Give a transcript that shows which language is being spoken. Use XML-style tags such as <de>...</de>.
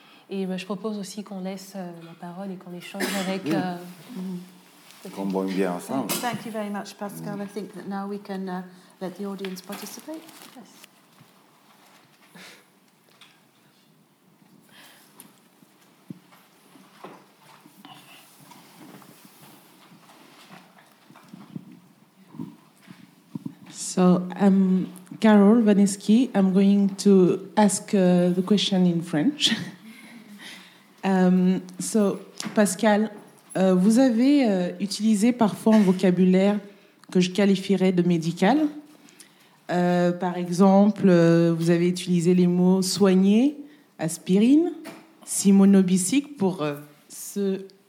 <fr>Je propose aussi qu'on laisse la parole et qu'on échange avec... Qu'on boit bien ensemble.</fr> <en>Thank you very much, Pascal. I think that now we can let the audience participate. Yes. So, Carole Vanesky, I'm going to ask the question in French.</en> <fr>So, Pascal, vous avez utilisé parfois un vocabulaire que je qualifierais de médical. Par exemple, vous avez utilisé les mots soigner, aspirine, simonobicique pour ce...</fr>